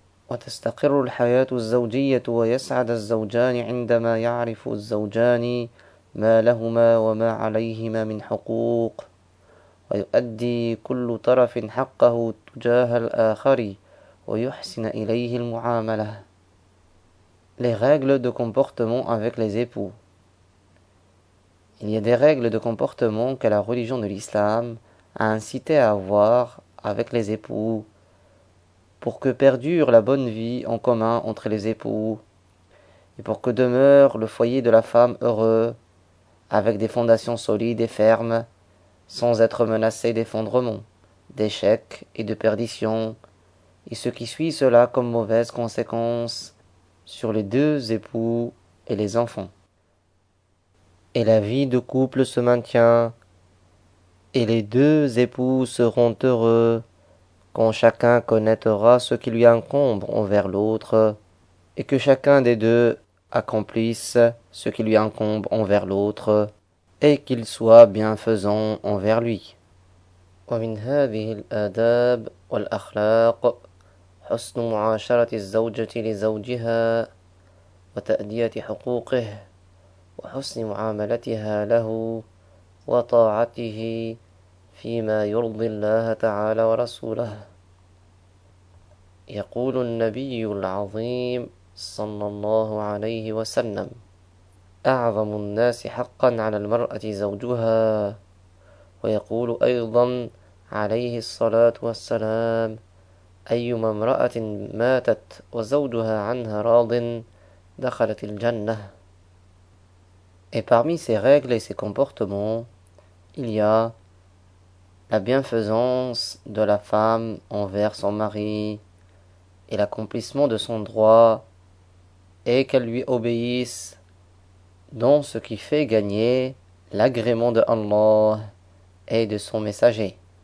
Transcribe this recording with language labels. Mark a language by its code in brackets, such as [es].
[ar] وتستقر الحياة الزوجية ويسعد الزوجان عندما يعرف الزوجان ما لهما وما عليهما من حقوق، ويؤدي كل طرف حقه تجاه الآخر ويحسن إليه المعاملة. [fr] Les règles de comportement avec les époux. Il y a des règles de comportement que la religion de l'islam a incité à avoir avec les époux, pour que perdure la bonne vie en commun entre les époux, et pour que demeure le foyer de la femme heureux, avec des fondations solides et fermes, sans être menacé d'effondrement, d'échec et de perdition, et ce qui suit cela comme mauvaise conséquence sur les deux époux et les enfants. Et la vie de couple se maintient, et les deux époux seront heureux, quand chacun connaîtra ce qui lui incombe envers l'autre, et que chacun des deux accomplisse ce qui lui incombe envers l'autre, et qu'il soit bienfaisant envers lui. [ar] ومن هذه الآداب والأخلاق حسن معاشرة الزوجة لزوجها وتأدية حقوقه وحسن معاملتها له وطاعته فيما يرضي الله تعالى ورسوله. يقول النبي العظيم صلى الله عليه وسلم: أعظم الناس حقا على المرأة زوجها. ويقول أيضا عليه الصلاة والسلام: أيما امرأة ماتت وزوجها عنها راض دخلت الجنة. [fr] Et parmi ces règles et ces comportements, il y a la bienfaisance de la femme envers son mari et l'accomplissement de son droit et qu'elle lui obéisse dans ce qui fait gagner l'agrément de Allah et de son messager.